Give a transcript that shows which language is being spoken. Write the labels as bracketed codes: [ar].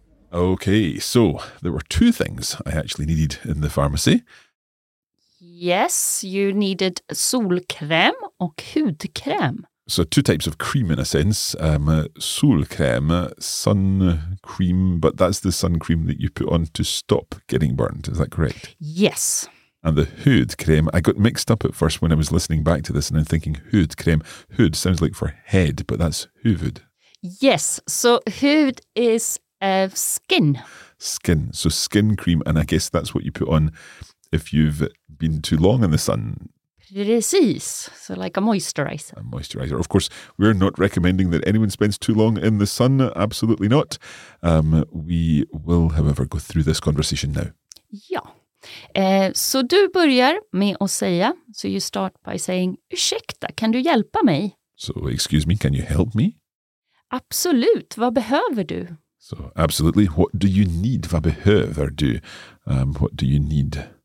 [en] Okay, so there were 2 things I actually needed in the pharmacy. Yes, you needed [sv] solkräm och hudkräm. [en] So 2 types of cream in a sense. Solkräm, sun cream, but that's the sun cream that you put on to stop getting burned. Is that correct? Yes. And the hood cream, I got mixed up at first when I was listening back to this and I'm thinking hood cream. Hood sounds like for head, but that's huvud. Yes, so hood is skin. Skin, so skin cream, and I guess that's what you put on if you've been too long in the sun. Precis, so like a moisturizer. A moisturizer. Of course, we're not recommending that anyone spends too long in the sun, absolutely not. We will, however, go through this conversation now. Yeah. [sv] Så du börjar med att säga, [en] so you start by saying, [sv] ursäkta, kan du hjälpa mig? [en] So, excuse me, can you help me? [sv] Absolut, vad behöver du? [en] So, absolutely, what do you need, [sv] vad behöver du? [en] What do you need?